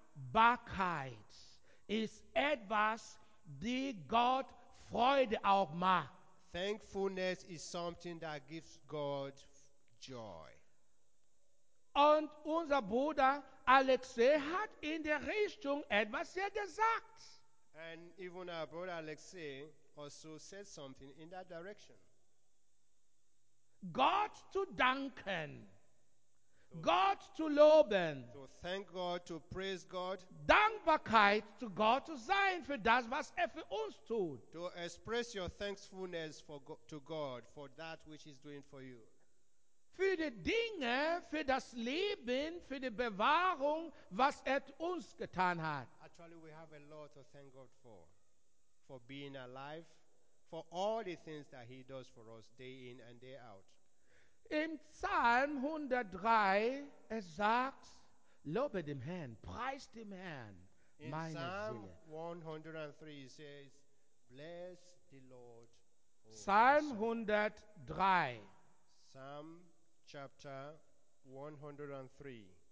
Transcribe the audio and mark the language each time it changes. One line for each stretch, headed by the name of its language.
German: Dankbarkeit ist etwas, die Gott Freude auch macht.
English: Thankfulness is something that gives God joy.
German: Und unser Bruder Alexei hat in der Richtung etwas hier gesagt.
English: And even our brother Alexei also said something in that direction.
German: God to danken. God to loben.
English: To thank God, to praise God.
German: Dankbarkeit zu Gott zu sein für das, was für uns tut.
English: To express your thankfulness to God for that which he's doing for you.
German: Für die Dinge, für das Leben, für die Bewahrung, was uns getan hat.
English: Actually, we have a lot to thank God for being alive, for all the things that he does for us day in and day out.
German: In Psalm 103, sagt, lobe dem Herrn, preis dem Herrn, meine Seele.
English: In Psalm 103, it says, bless the Lord.
German: Psalm 103.
English: Psalm chapter 103.